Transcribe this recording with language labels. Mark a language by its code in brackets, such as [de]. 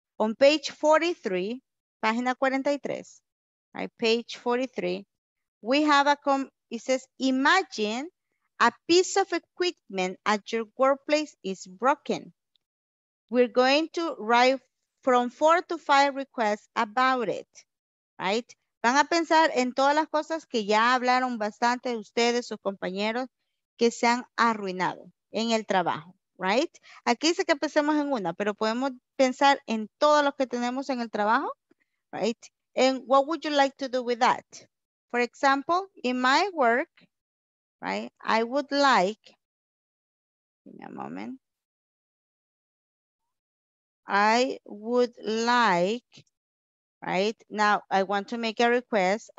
[en] On page 43, [es] página 43, [en] right? Page 43, we have it says, imagine a piece of equipment at your workplace is broken. We're going to write from 4 to 5 requests about it, right? [es] Van a pensar en todas las cosas que ya hablaron bastante de ustedes, sus compañeros, que se han arruinado en el trabajo, right? Aquí dice que pensemos en una, pero podemos pensar en todo lo que tenemos en el trabajo, right? [en] And what would you like to do with that? For example, in my work, right, I would like, give me a moment. I would like, right, now I want to make a request.